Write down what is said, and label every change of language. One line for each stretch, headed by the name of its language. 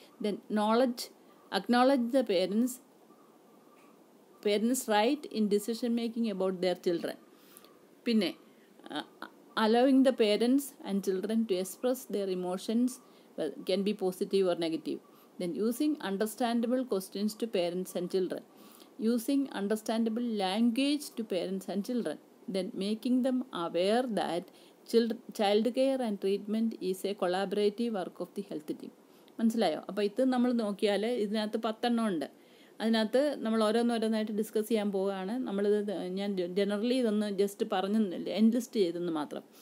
English: Then knowledge, acknowledge the parents right in decision making about their children.
Malayalam: പിന്നെ
English: allowing the parents and children to express their emotions, well, can be positive or negative. Then using understandable questions to parents and children, using understandable language to parents and children, then making them aware that child care and treatment is a collaborative work of the health team.
Malayalam: മനസ്സിലായോ? അപ്പൊ ഇത് നമ്മൾ നോക്കിയാൽ ഇതിനകത്ത് 10 എണ്ണം ഉണ്ട്. അതിനകത്ത് നമ്മൾ ഓരോന്നോരോന്നായിട്ട് ഡിസ്കസ് ചെയ്യാൻ പോവുകയാണ്. നമ്മളിത് ഞാൻ ജനറലി ഇതൊന്ന് ജസ്റ്റ് പറഞ്ഞില്ല, എൻലിസ്റ്റ് ചെയ്തെന്ന് മാത്രം.